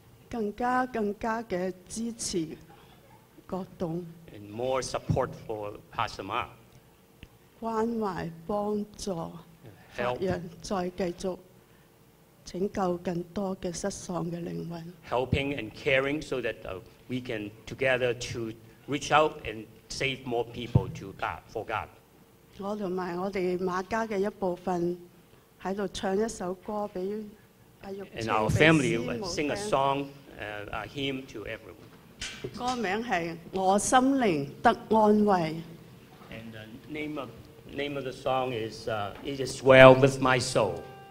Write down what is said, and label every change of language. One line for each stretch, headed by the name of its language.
Cantonese: 更加嘅支持國棟。
English: And more support for Pastor Ma.
Cantonese: 關懷幫助，讓再繼續。拯救更多嘅失喪嘅靈魂。
English: Helping and caring so that we can together to reach out and save more people to God for God.
Cantonese: 我同埋我哋馬家嘅一部分喺度唱一首歌俾阿玉清俾師母聽。
English: And our family will sing a song, a hymn to everyone.
Cantonese: 歌名係《我心靈得安慰》。
English: And the name of the song is It Is Well With My Soul.